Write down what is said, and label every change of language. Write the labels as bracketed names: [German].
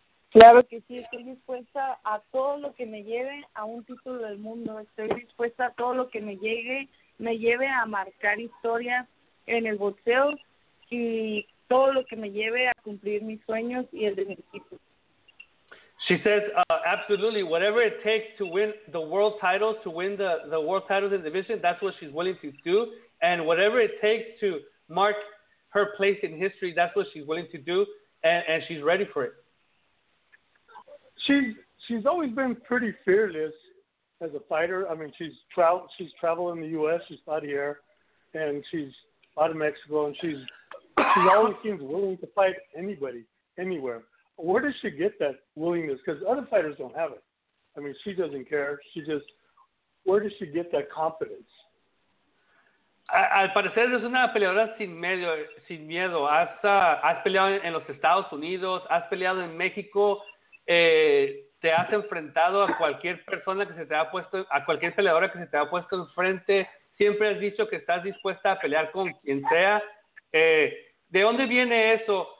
[Spanish] Claro que sí, estoy dispuesta a todo lo que me lleve a un título del mundo. Estoy dispuesta a todo lo que me lleve a marcar historia en el boxeo y todo lo que me lleve a cumplir mis sueños y el de mi equipo. [English] She says, absolutely, whatever it takes to win the world titles, to win the world titles in the division, that's what she's willing to do. And whatever it takes to mark her place in history, that's what she's willing to do, and she's ready for it. She's always been pretty fearless as a fighter. I mean, she's traveled in the U.S., she's fought here, and she's fought in Mexico, and she's always seems willing to fight anybody, anywhere. Where does she get that willingness? Because other fighters don't have it. I mean, she doesn't care. She just, where does she get that confidence? [Spanish] Al parecer es una peleadora sin miedo. Has peleado en los Estados Unidos, has peleado en México, te has enfrentado a cualquier persona que se te ha puesto, a cualquier peleadora que se te ha puesto enfrente. Siempre has dicho que estás dispuesta a pelear con quien sea. ¿De dónde viene eso?